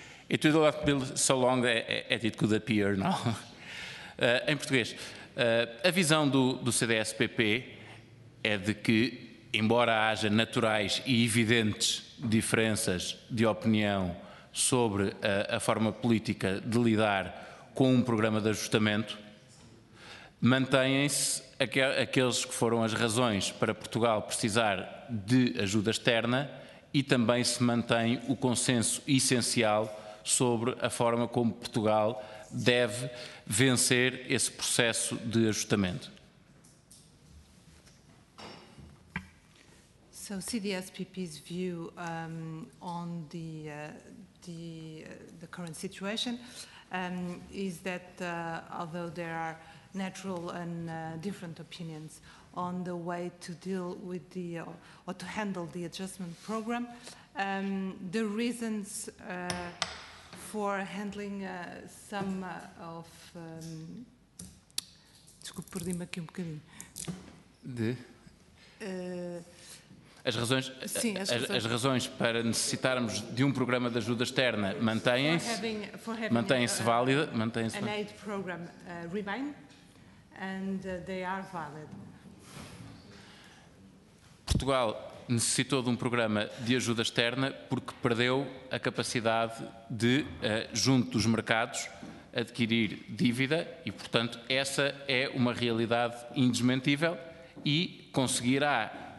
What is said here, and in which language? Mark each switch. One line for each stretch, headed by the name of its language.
English: It will not be so long as it could appear now.
Portuguese: Em português, a visão do CDS-PP é de que, embora haja naturais e evidentes diferenças de opinião sobre a forma política de lidar com um programa de ajustamento, mantêm-se aqueles que foram as razões para Portugal precisar de ajuda externa e também se mantém o consenso essencial sobre a forma como Portugal deve vencer esse processo de ajustamento.
English: So CDSPP's view on the current situation is that although there are natural and different opinions on the way to deal with the or to handle the adjustment program, the reasons for handling some of
Portuguese: desculpe, perdi-me aqui um bocadinho. As razões para necessitarmos de um programa de ajuda externa mantêm-se válidas.
English: An aid program remain, and they are valid.
Portuguese: Portugal necessitou de um programa de ajuda externa porque perdeu a capacidade de, junto dos mercados, adquirir dívida e, portanto, essa é uma realidade indesmentível e conseguirá